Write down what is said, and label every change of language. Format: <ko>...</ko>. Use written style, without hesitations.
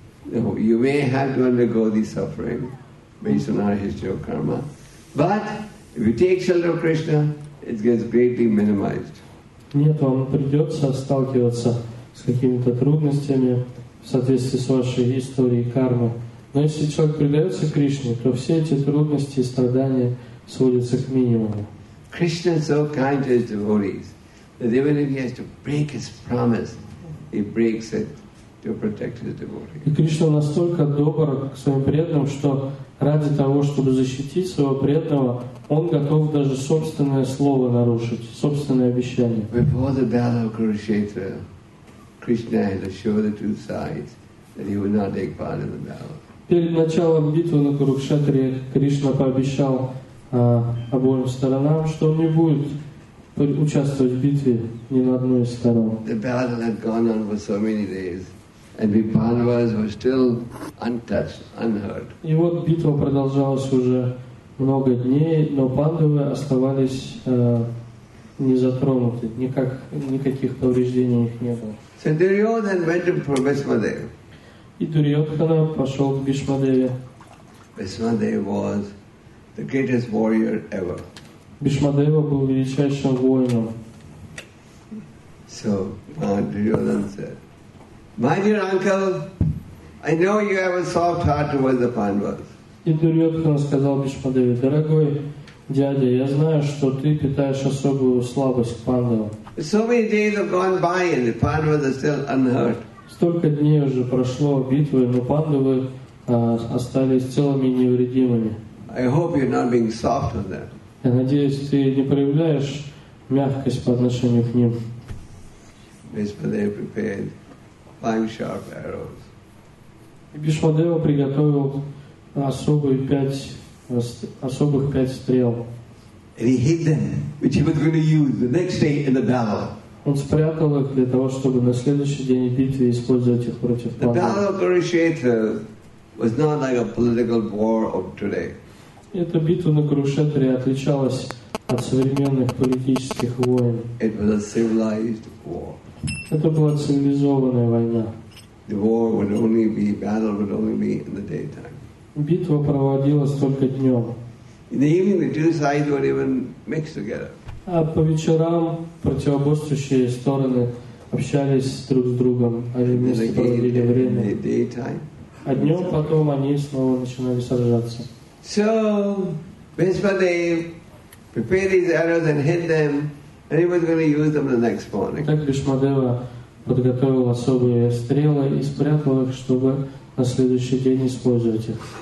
<en>You may have to undergo the suffering based on our history of karma. But if you take shelter of Krishna, it gets greatly minimized.</en> <ru>Нет, вам придется сталкиваться с какими-то трудностями в соответствии с вашей историей кармы. Но если человек предается Кришне, то все эти трудности и страдания сводятся к минимуму.</ru> <en>Krishna is so kind to his devotees that even if he has to break his promise, he breaks it to protect his devotee.</en> <ru>Кришна настолько добр к своим преданным, что ради того, чтобы защитить своего преданного, он готов даже собственное слово нарушить, собственное обещание.</ru> <en>Before the battle of Kurukshetra, Krishna had assured the two sides that he would not take part in the battle.</en> <ru>Перед началом битвы на Курукшетре Кришна пообещал обоим сторонам, что он не будет участвовать в битве ни на одной из сторон.</ru> <en>The battle had gone on for so many days, and the Pandavas were still untouched, unhurt.</en> <ru>И вот битва продолжалась уже много дней, но Пандавы оставались не затронуты, никаких повреждений у них не было.</ru> <en>So Duryodhana went to Bhishmadeva.</en> <ru>И Дурьотхана пошел к Бишмадеве.</ru> <en>Бишмадев was the greatest warrior ever.</en> <ru>Бхишма Дева был величайшим воином.</ru> <en>So, Duryodhana said, "My dear uncle, I know you have a soft heart towards the Pandavas."</en> <ru>И Дурьотхана сказал Бхишма Деве: "Дорогой дядя, я знаю, что ты питаешь особую слабость к Пандавам."</ru> <en>So many days have gone by, and the Pandavas are still unhurt.</en> <ru>Столько дней уже прошло битвы, но Пандавы остались целыми и невредимыми.</ru> <en>I hope you're not being soft on them.</en> <ru>Я надеюсь, ты не проявляешь мягкость по отношению к ним.</ru> <en>Бхишмадева prepared 5 sharp arrows.</en> <ru>И Бхишмадева приготовил особых пять стрел.</ru> <en>And he hid them, which he was going to use the next day in the battle.</en> <ru>Он спрятал их для того, чтобы на следующий день битвы использовать их против Пандавов.</ru> <en>The battle of Kurukshetra was not like a political war of today.</en> <ru>Эта битва на Курукшетре отличалась от современных политических войн.</ru> <en>It was a civilized war.</en> <ru>Это была цивилизованная война.</ru> <en>The war would only be, battle would only be in the daytime.</en> <ru>Битва проводилась только днем.</ru> <en>In the evening, the two sides would even mix together.</en> <ru>А по вечерам противоборствующие стороны общались друг с другом, они вместе проводили время. А днем потом они снова начинали сражаться.</ru> <en>So, Bhishmadev prepared his arrows and hid them, and he was going to use them the next morning.</en> <ru>Так Бхишмадева подготовил особые стрелы и спрятал их, чтобы на следующий день использовать их.</ru>